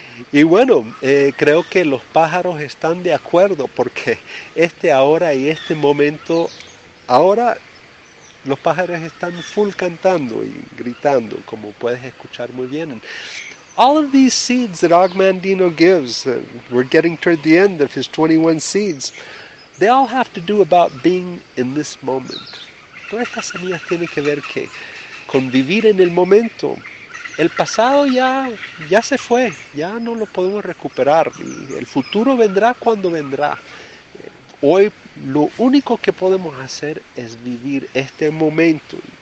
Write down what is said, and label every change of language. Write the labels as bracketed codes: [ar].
[es] Y bueno, creo que los pájaros están de acuerdo porque este ahora y este momento, ahora los pájaros están full cantando y gritando, como puedes escuchar muy bien. [en] All of these seeds that Og Mandino gives, we're getting toward the end of his 21 seeds, they all have to do about being in this moment. [es] Todas estas semillas tienen que ver que con vivir en el momento. El pasado ya se fue, ya no lo podemos recuperar. El futuro vendrá cuando vendrá. Hoy lo único que podemos hacer es vivir este momento.